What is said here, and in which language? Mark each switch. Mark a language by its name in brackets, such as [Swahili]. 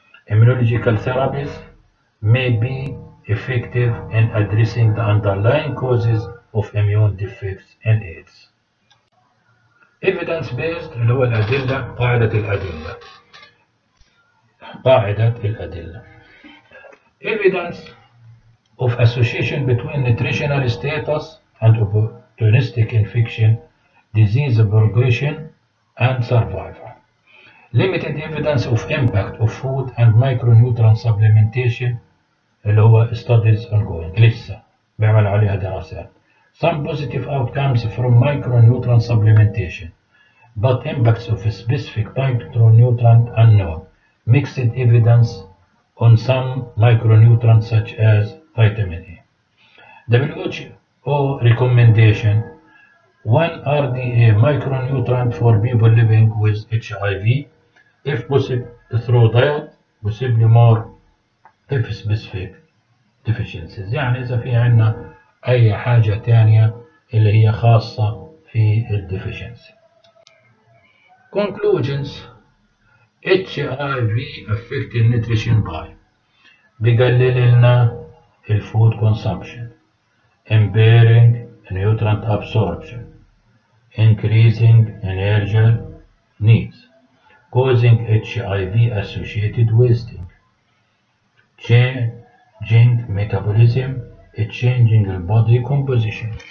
[English] Immunological therapies may be effective in addressing the underlying causes of immune defects and AIDS. Evidence based [Arabic] اللي هو الأدلة، قاعدة الأدلة، قاعدة الأدلة. [English] Evidence of association between nutritional status and opportunistic infection, disease progression, and survival. Limited evidence of impact of food and micronutrient supplementation, lower studies ongoing. [Arabic] لسه بعمل عليها دراسات. [English] Some positive outcomes from micronutrient supplementation, but impacts of a specific micronutrient unknown. Mixed evidence on some micronutrients such as vitamin A. WHO recommendation: 1 RDA micronutrient for people living with HIV, if possible through diet, possibly more if specific deficiencies. [Arabic] يعني إذا في عنا أي حاجة تانية اللي هي خاصة في الديفيشنسي. [English] Conclusions: HIV affected nutrition by [Arabic] بيقلل لنا الفود كونسامبشن, [English] impairing nutrient absorption, increasing energy needs, causing HIV associated wasting, changing metabolism, changing body composition.